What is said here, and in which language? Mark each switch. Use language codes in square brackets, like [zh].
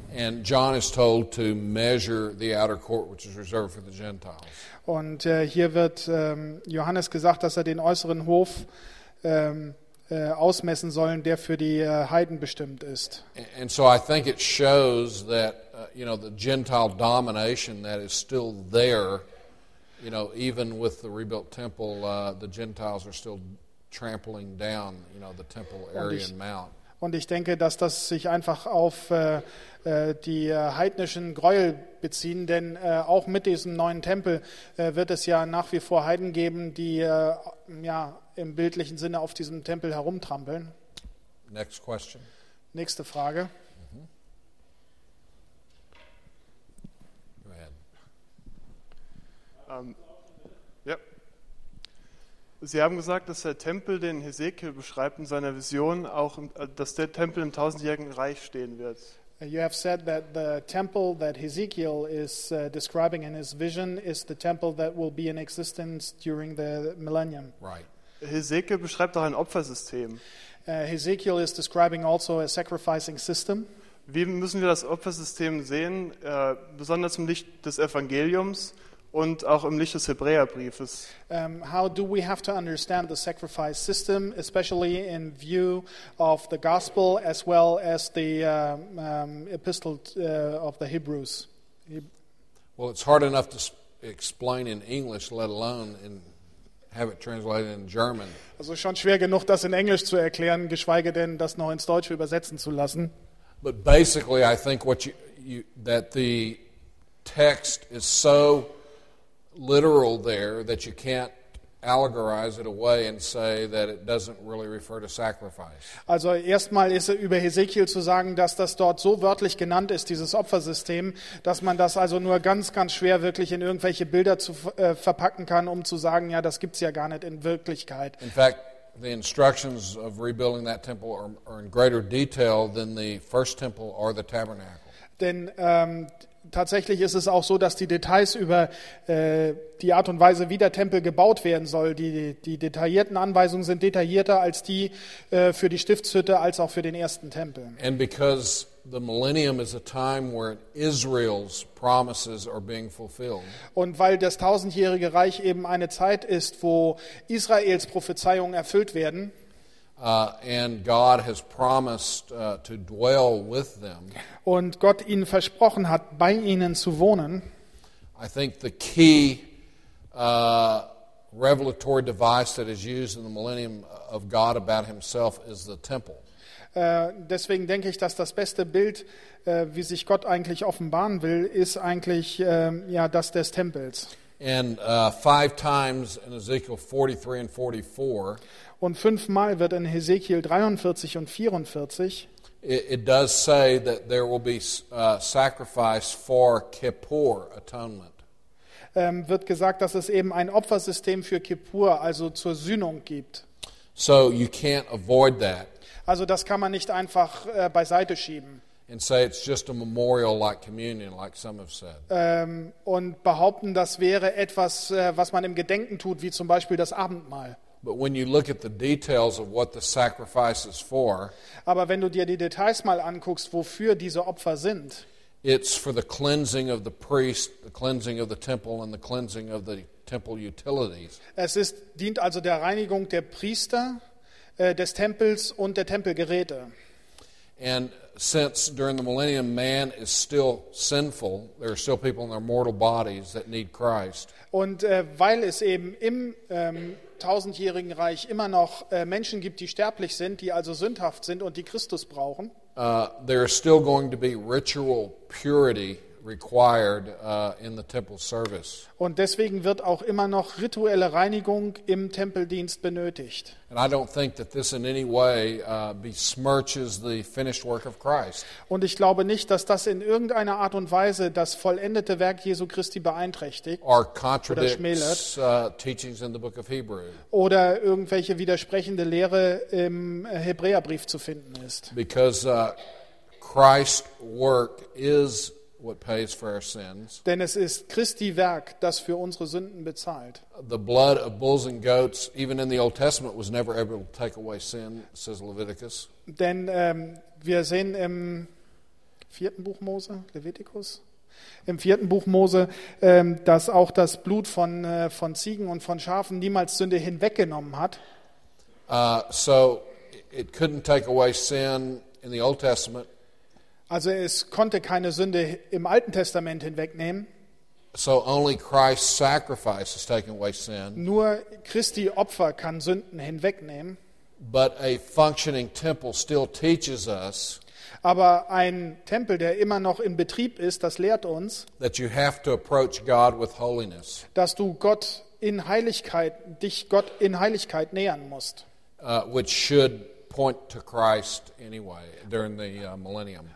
[en] And John is told to measure the outer court, which is reserved for the Gentiles. [de] Und hier wird Johannes gesagt, dass er den äußeren Hof ausmessen sollen, der für die Heiden bestimmt ist. [en] And so I think it shows that the Gentile domination that is still there, even with the rebuilt temple, the Gentiles are still trampling down, the temple area and mount. [de] Und ich denke, dass das sich einfach auf die heidnischen Gräuel beziehen, denn auch mit diesem neuen Tempel wird es ja nach wie vor Heiden geben, die im bildlichen Sinne auf diesem Tempel herumtrampeln. [en] Next question. [de] Nächste Frage. [en] Go ahead. [de] Sie haben gesagt, dass der Tempel, den Hesekiel beschreibt in seiner Vision, auch dass der Tempel im tausendjährigen Reich stehen wird. [en] You have said that the temple that Hezekiel is describing in his vision is the temple that will be in existence during the millennium. Right. [de] Hesekiel beschreibt auch ein Opfersystem. [en] Hezekiel is describing also a sacrificing system. [de] Wie müssen wir das Opfersystem sehen, besonders im Licht des Evangeliums und auch im Licht des Hebräerbriefes? [en] How do we have to understand the sacrifice system, especially in view of the gospel as well as the epistle of the Hebrews? Well, it's hard enough to explain in English, let alone in have it translated in German. [de] Also schon schwer genug, das in Englisch zu erklären, geschweige denn das noch ins Deutsche übersetzen zu lassen. [en] But basically, I think what you that the text is so literal there that you can't allegorize it away and say that it doesn't really refer to sacrifice. [de] Also erstmal ist über Hesekiel zu sagen, dass das dort so wörtlich genannt ist, dieses Opfersystem, dass man das also nur ganz, ganz schwer wirklich in irgendwelche Bilder zu verpacken kann, um zu sagen, ja, das gibt's ja gar nicht in Wirklichkeit. [en] In fact, the instructions of rebuilding that temple are in greater detail than the first temple or the tabernacle. [de] Denn tatsächlich ist es auch so, dass die Details über die Art und Weise, wie der Tempel gebaut werden soll, die detaillierten Anweisungen sind detaillierter als die für die Stiftshütte, als auch für den ersten Tempel. [en] And because the millennium is a time where Israel's promises are being fulfilled. [de] Und weil das tausendjährige Reich eben eine Zeit ist, wo Israels Prophezeiungen erfüllt werden. [en] And God has promised to dwell with them. [de] Und Gott ihnen versprochen hat, bei ihnen zu wohnen. [en] I think the key revelatory device that is used in the millennium of God about himself is the temple. [de] Deswegen denke ich, dass das beste Bild, wie sich Gott eigentlich offenbaren will, ist eigentlich ja, das des Tempels. [en] And five times in Ezekiel 43 and 44. [de] Und fünfmal wird in Hesekiel 43 und 44 [en] it does say that there will be sacrifice for Kippur atonement. [de] Wird gesagt, dass es eben ein Opfersystem für Kippur, also zur Sühnung gibt. [en] So you can't avoid that. [de] Also das kann man nicht einfach beiseite schieben. [en] And say it's just a memorial like communion, like some have said. [de] Und behaupten, das wäre etwas, was man im Gedenken tut, wie zum Beispiel das Abendmahl. [en] But when you look at the details of what the sacrifice is for, [de] aber wenn du dir die Details mal anguckst, wofür diese Opfer sind, [en] it's for the cleansing of the priest, the cleansing of the temple, and the cleansing of the temple utilities. [de] Es ist, dient also der Reinigung der Priester, des Tempels und der Tempelgeräte. [en] And since during the millennium man is still sinful, there are still people in their mortal bodies that need Christ. [de] Und weil es eben im tausendjährigen Reich immer noch Menschen gibt, die sterblich sind, die also sündhaft sind und die Christus brauchen. [en] There is still going to be ritual purity required in the temple service. [de] Und deswegen wird auch immer noch rituelle Reinigung im Tempeldienst benötigt. [en] And I don't think that this in any way besmirches the finished work of Christ. [de] Und ich glaube nicht, dass das in irgendeiner Art und Weise das vollendete Werk Jesu Christi beeinträchtigt [en] or contradicts, [de] oder schmälert [en] teachings in the book of Hebrew. [de] Oder irgendwelche widersprechende Lehre im Hebräerbrief zu finden ist. [en] Because Christ's work is what pays for our sins. [de] Denn es ist Christi Werk, das für unsere Sünden bezahlt. [en] The blood of bulls and goats, even in the Old Testament, was never able to take away sin, says Leviticus. [de] Denn wir sehen im vierten Buch Mose, Leviticus, im vierten Buch Mose, dass auch das Blut von Ziegen und von Schafen niemals Sünde hinweggenommen hat. [en] So it couldn't take away sin in the Old Testament. [de] Also es konnte keine Sünde im Alten Testament hinwegnehmen. [en] So only Christ's sacrifice has taken away sin. [de] Nur Christi Opfer kann Sünden hinwegnehmen. [en] But a functioning temple still teaches us. [de] Aber ein Tempel, der immer noch in Betrieb ist, das lehrt uns, [en] that you have to approach God with holiness. [de] Dass du Gott in Heiligkeit, dich Gott in Heiligkeit nähern musst. [en] Which should point to Christ anyway during the millennium.